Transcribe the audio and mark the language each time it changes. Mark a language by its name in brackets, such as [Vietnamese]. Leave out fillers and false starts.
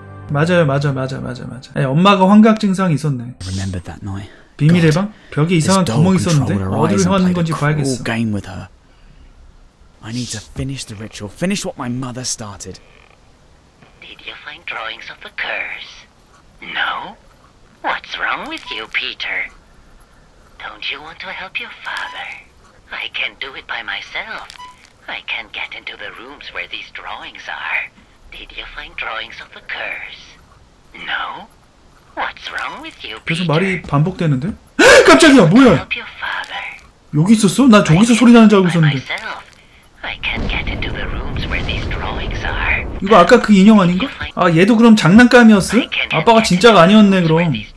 [Korean] 맞아. 아니, 엄마가 환각 증상이 있었네. [English] Remember that night? [Korean] 비밀의 방? 벽에 이상한 구멍이 있었는데 어디로 향하는 건지 봐야겠어. [English] Game with her. I need to finish the ritual. Finish what my mother started. Did you find drawings of the curse? No? What's wrong with you, Peter? Don't you want to help your father? I can't do it by myself. I can't get into the rooms where these drawings are. Did you find drawings of the curse? No? What's wrong with you, Peter? [Korean] 계속 말이 반복되는데? 헉! 깜짝이야! 뭐야! 여기 있었어? 나 저기서 소리 나는 줄 알고 있었는데. [English] I can't get into the rooms where these drawings are. [Korean] 이거 아까 그 인형 아닌가? 아, 얘도 그럼 장난감이었어? 아빠가 진짜가 아니었네, 그럼.